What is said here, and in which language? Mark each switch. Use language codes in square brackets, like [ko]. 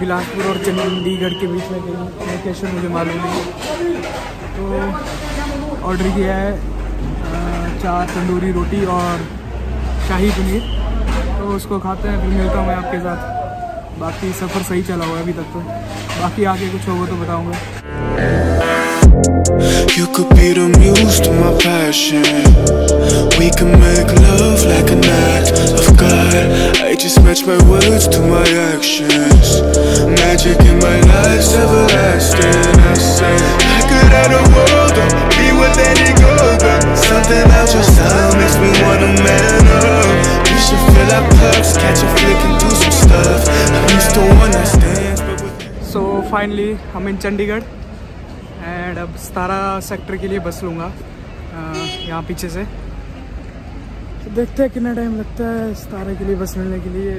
[hi] बिलासपुर और चंडीगढ़ के बीच में कहीं लोकेशन मुझे मालूम नहीं, तो ऑर्डर किया है 4 तंदूरी रोटी और शाही पनीर, तो उसको खाते हैं फिर मिलता हूँ मैं आपके साथ। बाकी सफ़र सही चला हुआ है अभी तक तो, बाकी आगे कुछ होगा तो बताऊँगा। [en] You could be the muse to my passion. We can make love like an act of God. I just match my words to my actions. Magic in my life's everlasting. I say, I could add a world up, be with any girl, but something about your style makes me wanna man up. You should feel our pulse, catch a flick and do some stuff. At least the one that stands. So finally, I'm in Chandigarh. [hi] And अब 17 sector के लिए बस लूँगा यहाँ पीछे से, तो देखते हैं कितना टाइम लगता है 17 के लिए बस मिलने के लिए।